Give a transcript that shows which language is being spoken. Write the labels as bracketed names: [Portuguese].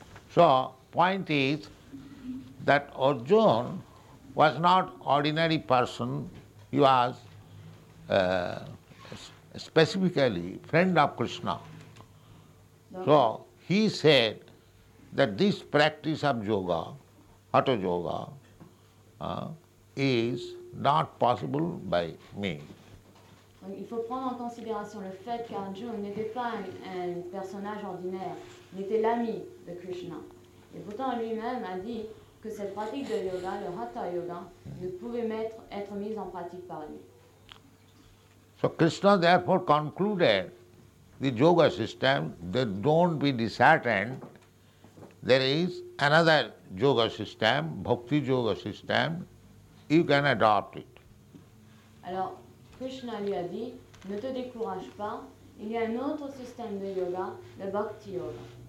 [English] So, point is that Arjuna was not ordinary person, he was specifically friend of Krishna. So, he said that this practice of yoga, hatha yoga, is not possible by me. [French] Donc, il faut prendre en considération le fait qu'Arjuna n'était pas un personnage ordinaire, il était l'ami de Krishna. Et pourtant, lui-même a dit que cette pratique de yoga, le Hatha Yoga, ne pouvait être mise en pratique par lui. [English] So Krishna therefore concluded the yoga system that don't be disheartened, there is another yoga system, Bhakti Yoga system, you can adopt it. [French] Alors, Krishna lui a dit, ne te décourage pas, il y a un autre système de yoga, le Bhakti Yoga.